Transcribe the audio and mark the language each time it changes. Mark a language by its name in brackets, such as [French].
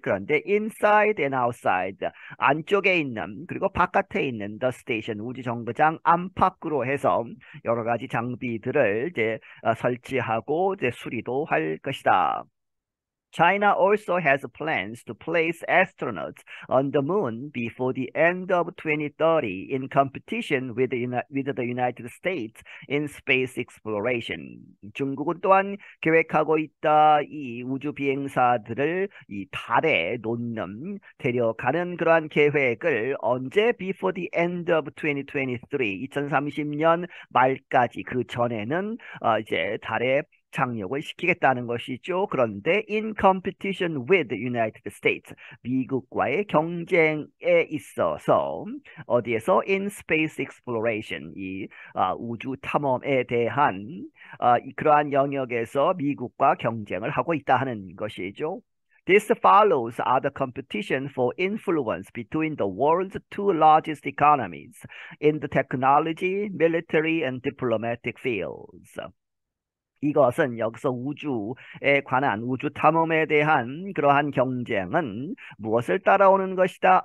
[Korean] 그런데 [English] inside and outside, [Korean] 안쪽에 있는, 그리고 바깥에 있는 [English] the station, [Korean] 우주정거장 안팎으로 해서 여러 가지 장비들을 이제 설치하고 이제 수리도 할 것이다. [English] China also has plans to place astronauts on the moon before the end of 2030 in competition with the United States in space exploration. [Korean] 중국은 또한 계획하고 있다. 이 우주 비행사들을 이 달에 놓는, 데려가는 그러한 계획을 언제? [English] Before the end of 2023. [Korean] 2030년 말까지, 그 전에는 이제 달에 착륙을 시키겠다는 것이죠. 그런데 [English] in competition with the United States, [Korean] 미국과의 경쟁에 있어서, 어디에서 [English] in space exploration, [Korean] 이 우주 탐험에 대한 그러한 영역에서 미국과 경쟁을 하고 있다 하는 것이죠. [English] This follows other competition for influence between the world's two largest economies in the technology, military, and diplomatic fields. [Korean] 이것은 여기서 우주에 관한, 우주 탐험에 대한 그러한 경쟁은 무엇을 따라오는 것이다?